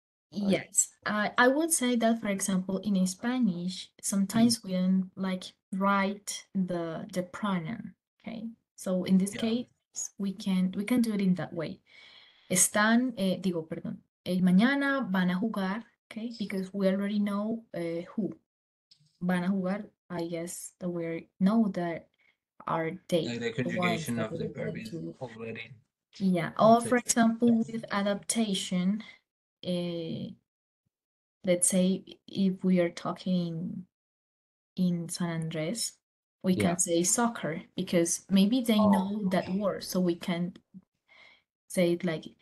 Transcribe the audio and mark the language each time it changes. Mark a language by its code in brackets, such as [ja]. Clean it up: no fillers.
[en] Yes, I would say that, for example, in Spanish, sometimes we don't like write the pronoun. Okay, so in this case, we can do it in that way. [es] Están, digo, perdón, mañana van a jugar, okay? [en] Because we already know who [es] van a jugar. [en] I guess that we know that our date. Like the conjugation of the verb is already. Yeah, or for example, with adaptation, let's say if we are talking in San Andres, we can say soccer, because maybe they know that word, so we can say it like,